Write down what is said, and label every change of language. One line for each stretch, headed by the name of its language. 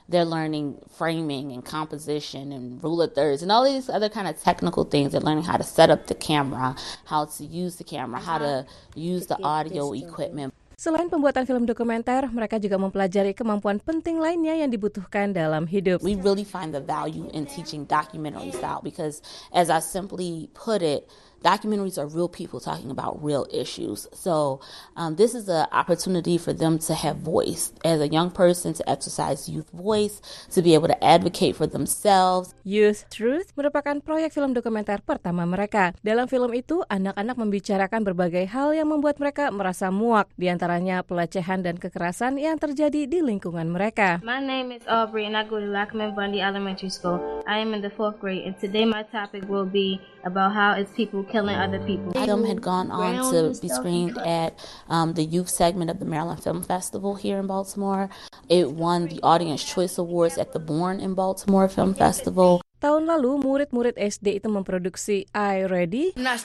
English: They're learning framing and composition and rule of thirds and all these other kind of technical things. They're learning how to set up the camera, how to use the camera, how to use the audio equipment.
Indonesian: Selain pembuatan film dokumenter, mereka juga mempelajari kemampuan penting lainnya yang dibutuhkan dalam hidup.
English: We really find the value in teaching documentary style because, as I simply put it, documentaries are real people talking about real issues. So this is an opportunity for them to have voice as a young person, to exercise youth voice, to be able to advocate for themselves.
Indonesian: Youth Truth merupakan proyek film dokumenter pertama mereka. Dalam film itu, anak-anak membicarakan berbagai hal yang membuat mereka merasa muak, diantaranya pelecehan dan kekerasan yang terjadi di lingkungan mereka.
English: My name is Aubrey and I go to Lockerman Bundy Elementary School. I am in the 4th grade and today my topic will be about how it's people killing other people. Film had gone on to be screened at the youth segment of the Maryland Film Festival here in Baltimore. It won the Audience Choice Awards at the Bourne in Baltimore Film Festival.
Indonesian: Tahun lalu, murid-murid SD itu memproduksi I Ready.